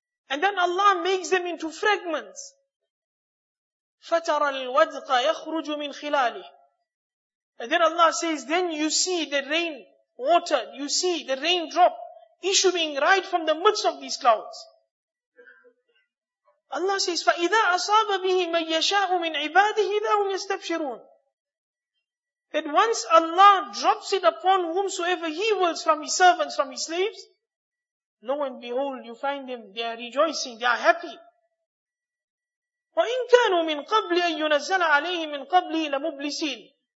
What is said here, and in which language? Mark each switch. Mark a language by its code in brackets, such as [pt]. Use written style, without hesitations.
[en] And then Allah makes them into fragments. [ar] فَتَرَى الْوَدْقَ يَخْرُجُ مِنْ خِلَالِهِ. [en] And then Allah says, then you see the rain water, you see the rain drop issuing right from the midst of these clouds. Allah says, [ar] فَإِذَا أَصَابَ بِهِ مَنْ يَشَاءُ مِنْ عِبَادِهِ إِذَا هُمْ يَسْتَبْشِرُونَ. [en] That once Allah drops it upon whomsoever He wills from His servants, from His slaves, lo and behold, you find them, they are rejoicing, they are happy. [ar] وَإِنْ كَانُوا مِنْ قَبْلِ أَنْ يُنَزَّلَ عَلَيْهِمْ مِنْ قَبْلِهِ لَمُبْلِسِينَ.